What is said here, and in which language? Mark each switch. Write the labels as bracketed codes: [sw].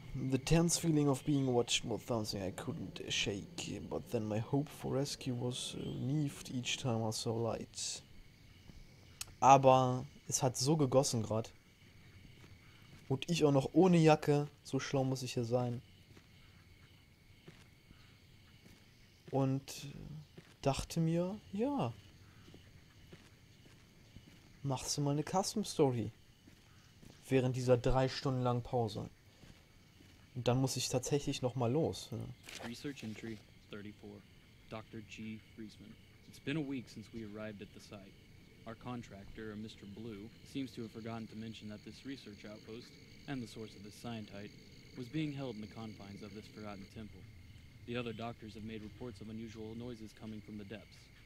[en] The tense feeling of being watched was something I couldn't shake, but then my hope for rescue was relieved each time I saw light. [de] Aber es hat so gegossen gerade. Und ich auch noch ohne Jacke, so schlau muss ich hier sein. Und dachte mir, ja, machst du mal eine Custom Story während dieser 3 Stunden langen Pause. Und dann muss ich tatsächlich noch mal los. [en] Research Entry 34, Dr. G. Friesman. It's been a week since we arrived at the site. Our contractor, Mr. Blue, seems to have forgotten to mention that this research outpost and the source of this scientite was being held in the confines of this forgotten temple. The other doctors have made reports of unusual noises coming from the depths.